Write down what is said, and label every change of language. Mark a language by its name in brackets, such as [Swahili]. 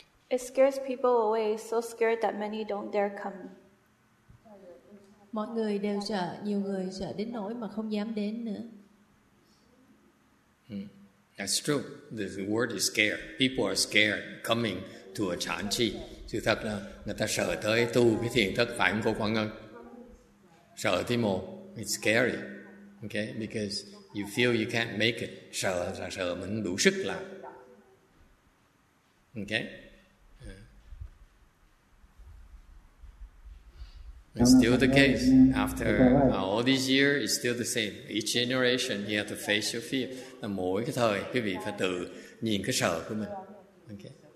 [English] It scares people away, so scared that many don't dare come. [Vietnamese] Mọi người đều sợ, nhiều người sợ đến nỗi mà không dám đến nữa. [English] That's true. The word is scared. People are scared coming to a chan chi. [Vietnamese] Sự thật là người ta sợ tới tu cái thiền thất phải không cô Quang Ngân? [English] Sợ thì mồ. It's scary. Okay? Because you feel you can't make it. [Vietnamese] Sợ là sợ mình đủ sức làm. [English] Okay? It's still the case. After all these years, it's still the same. Each generation, you have to face your fear. Mỗi cái thời, quý vị phải tự nhìn cái sợ của mình. Okay.